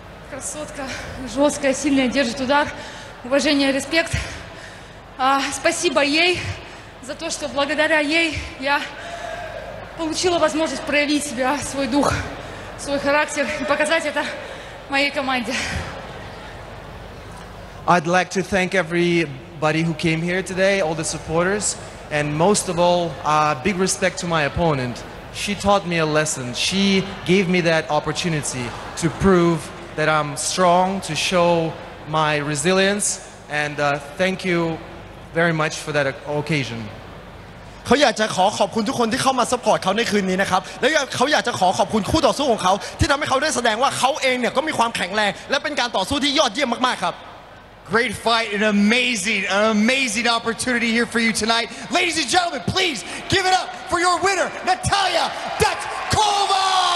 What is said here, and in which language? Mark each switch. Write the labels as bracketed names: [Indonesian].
[Russian] красотка, жесткая, сильная, держит удар. Уважение, респект. Спасибо ей за то, что благодаря ей я получила возможность проявить себя, свой дух, свой характер и показать это моей команде. [English] I'd like to thank everybody who came here today, all the supporters, and most of all, big respect to my opponent. She taught me a lesson. She gave me that opportunity to prove that I'm strong, to show my resilience, and thank you very much for that occasion. [Thai] เขาอยากจะขอขอบคุณทุกคนที่เข้ามาซัพพอร์ตเขาในคืนนี้นะครับแล้วเขาอยากจะขอขอบคุณคู่ต่อสู้ของเขาที่ทำให้เขาได้แสดงว่าเขาเองเนี่ยก็มีความแข็งแรงและเป็นการต่อสู้ที่ยอดเยี่ยมมากๆครับ [English] Great fight, an amazing opportunity here for you tonight. Ladies and gentlemen, please give it up for your winner, Natalia Dachkova!